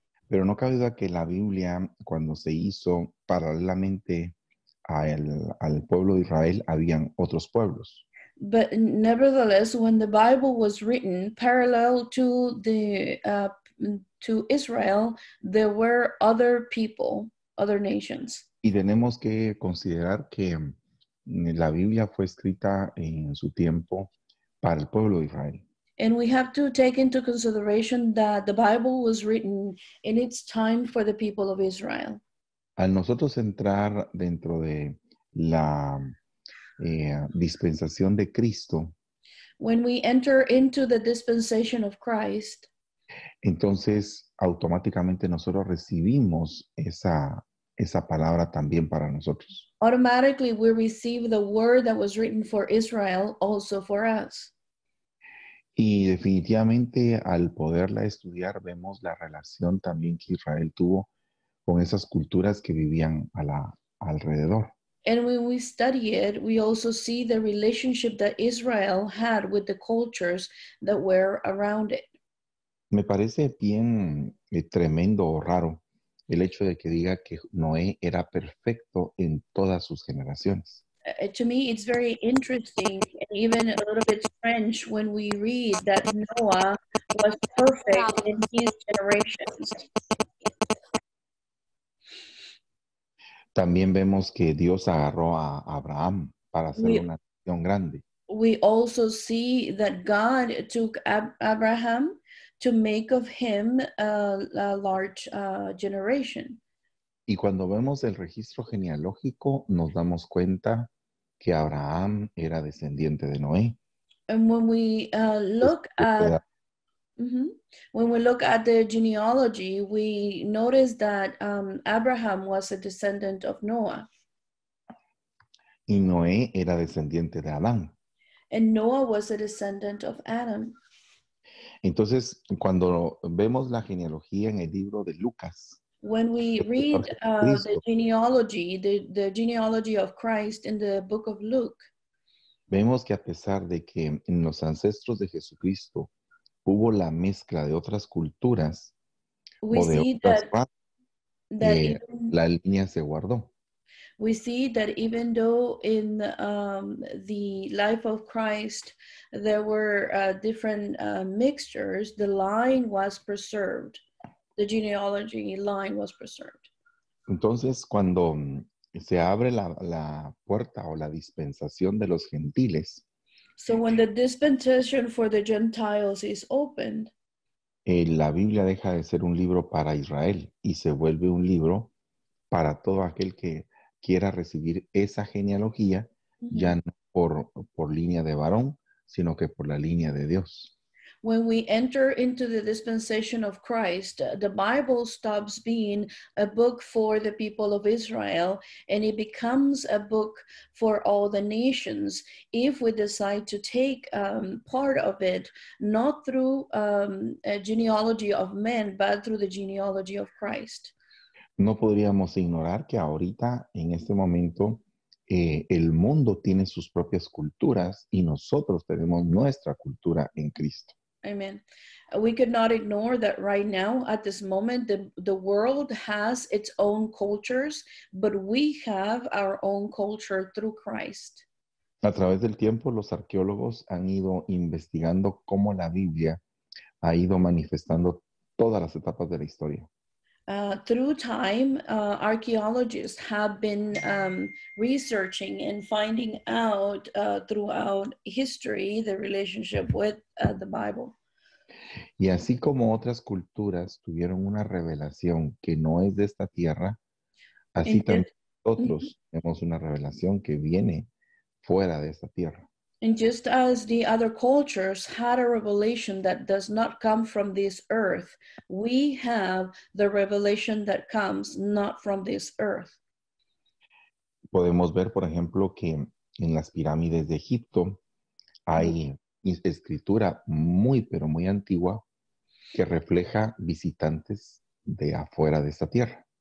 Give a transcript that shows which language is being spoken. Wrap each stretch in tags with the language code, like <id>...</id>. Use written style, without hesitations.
<es>Pero no cabe duda que la Biblia, cuando se hizo paralelamente al pueblo de Israel, habían otros pueblos.</es> <en>But nevertheless, when the Bible was written parallel to the to Israel, there were other people, other nations.</en> <es>Y tenemos que considerar que la Biblia fue escrita en su tiempo para el pueblo de Israel.</es> <en>And we have to take into consideration that the Bible was written in its time for the people of Israel.</en> <es>Al nosotros entrar dentro de la dispensación de Cristo,</es> <en>when we enter into the dispensation of Christ,</en> <es>entonces automáticamente nosotros recibimos esa palabra también para nosotros.</es> <en>Automatically we receive the word that was written for Israel also for us.</en> <es>Y definitivamente al poderla estudiar vemos la relación también que Israel tuvo con esas culturas que vivían alrededor.</es> <en>And when we study it, we also see the relationship that Israel had with the cultures that were around it.</en> <es>Me parece bien tremendo o raro el hecho de que diga que Noé era perfecto en todas sus generaciones.</es> <en>To me, it's very interesting and even a little bit strange when we read that Noah was perfect in his generations.</en> <es>También vemos que Dios agarró a Abraham para hacer una nación grande.</es> <en>We also see that God took Abraham to make of him a large generation.</en> <es>Y cuando vemos el registro genealógico, nos damos cuenta que Abraham era descendiente de Noé.</es> <en>And when we look at when we look at the genealogy, we notice that Abraham was a descendant of Noah.</en> <es>Y Noé era descendiente de Adán.</es> <en>And Noah was a descendant of Adam.</en> <es>Entonces, cuando vemos la genealogía en el libro de Lucas,</es> <en>when we read the genealogy of Christ in the book of Luke,</en> <es>vemos que a pesar de que en los ancestros de Jesucristo hubo la mezcla de otras culturas,</es> <en>we</en> <es>o de</es> <en>see</en> <es>otras</es> <en>that,</en> <es>razas,</es> <en>that even,</en> <es>la línea se guardó.</es> <en>We see that even though in the life of Christ there were different mixtures, the line was preserved. The genealogy line was preserved.</en> <es>Entonces, cuando se abre la puerta o la dispensación de los gentiles,</es> <en>so when the dispensation for the Gentiles is opened,</en> <es>La Biblia deja de ser un libro para Israel y se vuelve un libro para todo aquel que quiera recibir esa genealogía, ya no por línea de varón, sino que por la línea de Dios.</es> <en>When we enter into the dispensation of Christ, the Bible stops being a book for the people of Israel, and it becomes a book for all the nations if we decide to take part of it, not through a genealogy of men, but through the genealogy of Christ.</en> <es>No podríamos ignorar que ahorita, en este momento, el mundo tiene sus propias culturas y nosotros tenemos nuestra cultura en Cristo.</es> <en>Amen. We could not ignore that right now, at this moment, the world has its own cultures, but we have our own culture through Christ.</en> <es>A través del tiempo, los arqueólogos han ido investigando cómo la Biblia ha ido manifestando todas las etapas de la historia.</es> <en>Through time, archaeologists have been researching and finding out throughout history the relationship with the Bible.</en> <es>Y así como otras culturas tuvieron una revelación que no es de esta tierra, así también nosotros tenemos una revelación que viene fuera de esta tierra.</es> <en>And just as the other cultures had a revelation that does not come from this earth, we have the revelation that comes not from this earth.</en> <es>Podemos ver, por ejemplo, que en las pirámides de Egipto hay escritura muy, pero muy antigua que refleja visitantes de afuera de esta tierra.</es>